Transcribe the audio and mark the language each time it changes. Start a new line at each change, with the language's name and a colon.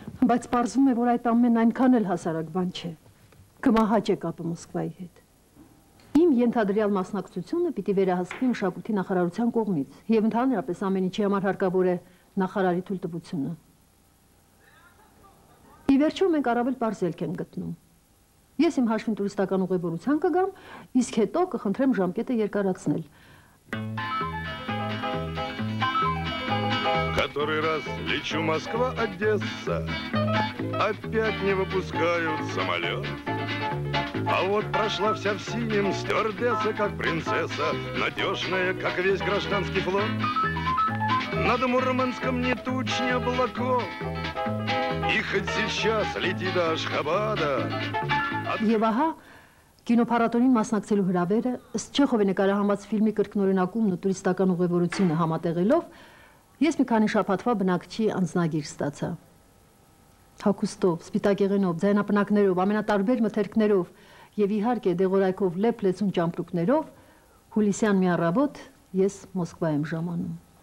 Armenian: Բայց պարզվում է, որ այդ ամենն այնքան էլ հասարակ բան չէ։ Կմահաճե կապը Մոսկվայի հետ։ Իմ ենթադրյալ մասնակցությունը պիտի վերահսկվի մշակույթի նախարարության կողմից, և ընդհանրապես ամեն ինչի համար հարկավոր է նախարարի թույլտվությունը։ Ի վերջո մենք առավել պարզ ելք ենք գտնում։ Ես իմ հաշվին տուրիստական ուղևորության կգամ, իսկ հետո կխնդրեմ ժամկետը երկարացնել։
Russian: Который раз лечу Москва-Одесса, опять не выпускают самолет. А вот прошла вся в синем стюардесса, как принцесса, надежная, как весь гражданский флот. Над Мурманском ни туч, ни облаков, и хоть сейчас лети до Ашхабада.
Armenian: Եվ ահա կինոփառատոնին մասնակցելու հրավերը, ըստ Չեխովի նկարահանված ֆիլմի կրկնօրինակումն ու տուրիստական ուղևորությունը համատեղելով, ես մի քանի շաբաթվա բնակչի անձնագիր ստացա։ Հագուստով, սպիտակեղենով, ձայնապնակներով, ամենատարբեր մթերքներով և իհարկե դեղորայքով լեփ-լեցուն ճամպրուկներով հուլիսյան մի առավոտ ես Մոսկվա եմ ժամանում։